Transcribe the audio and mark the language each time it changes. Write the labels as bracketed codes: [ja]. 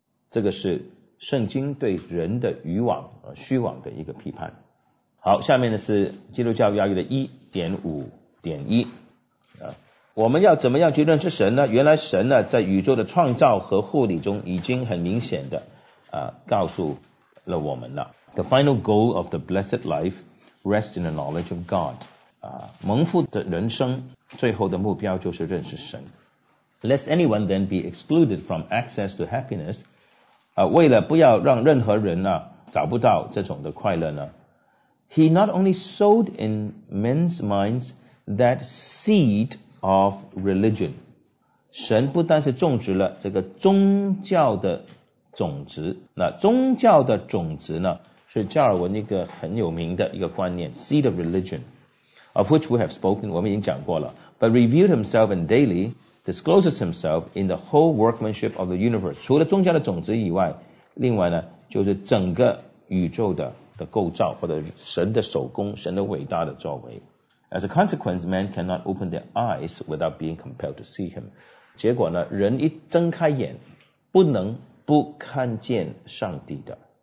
[zh] 这个是圣经对人的愚妄和虚妄的一个批判。好，下面呢是基督教要义的 1.5.1、我们要怎么样去认识神呢？原来神呢，在宇宙的创造和护理中已经很明显的告诉了我们了。 [en] The final goal of the blessed life rests in the knowledge of God. [zh] 蒙福的人生最后的目标就是认识神。 [en] Lest anyone then be excluded from access to happiness. [zh] 为了不要让任何人呢找不到这种的快乐呢。 [en] He not only sowed in men's minds that seed of religion. [zh] 神不但是种植了这个宗教的种子，那宗教的种子呢，是加尔文一个很有名的一个观念 ， [en] seed of religion, of which we have spoken, [zh] 我们已经讲过了。 [en] But revealed himself in daily, discloses himself in the whole workmanship of the universe. [zh] 除了宗教的种子以外，另外呢，就是整个宇宙的构造，或者神的手工，神的伟大的作为。 [en] As a consequence, man cannot open their eyes without being compelled to see him. [zh] 结果呢，人一睁开眼，不能不看见上帝的。